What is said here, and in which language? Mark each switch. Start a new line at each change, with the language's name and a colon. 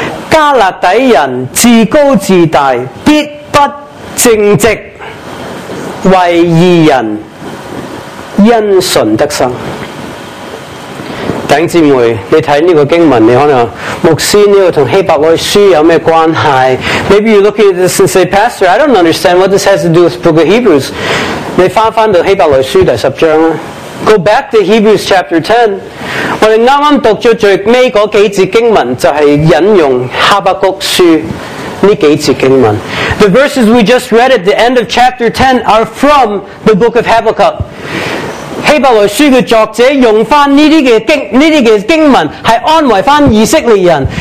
Chinese: 加勒底人自高自大，必不正直，为义人因信得生。弟兄姊妹，你看这个经文，你可能牧师这个跟希伯来书有什么关系？
English: Maybe you look at this and say, Pastor, I don't understand what this has to do with the book of Hebrews.
Chinese: 你回到希伯来书第十章，
English: Go back to Hebrews chapter 10.
Chinese: 我们刚刚读了最尾那几节经文，就是引用哈巴谷书这几节经文。
English: The verses we just read at the end of chapter 10 are from the book of Habakkuk.
Chinese: 希伯来书的作者用翻这些经文，是安慰翻以色列人。